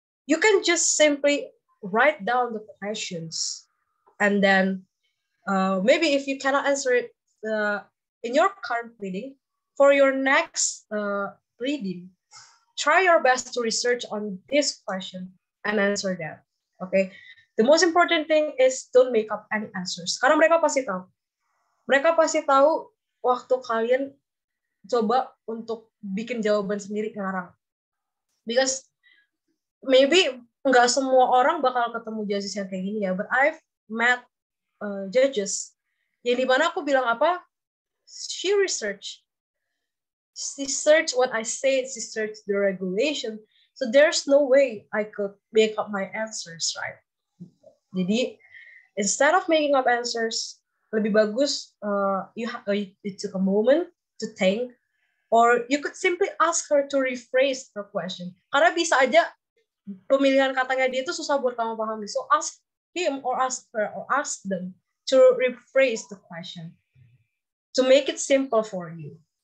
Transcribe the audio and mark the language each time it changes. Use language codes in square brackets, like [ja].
[en] You can just simply write down the questions, and then maybe if you cannot answer it in your current reading, for your next reading, try your best to research on this question and answer that. Okay. The most important thing is don't make up any answers. [id] Karena mereka pasti tahu. Mereka pasti tahu waktu kalian coba untuk bikin jawaban sendiri ngarang. [en] Because maybe [id] nggak semua orang bakal ketemu judges yang kayak gini ya. [en] But I've met judges. [id] Yang dimana aku bilang apa? [en] She research. She search what I say. She search the regulation. So there's no way I could make up my answers, right? [id] Jadi, [en] instead of making up answers, [id] lebih bagus [en] you took a moment to think, or you could simply ask her to rephrase her question. [id] Karena bisa aja pemilihan katanya dia itu susah buat kamu pahami. [en] So ask him or ask her or ask them to rephrase the question to make it simple for you.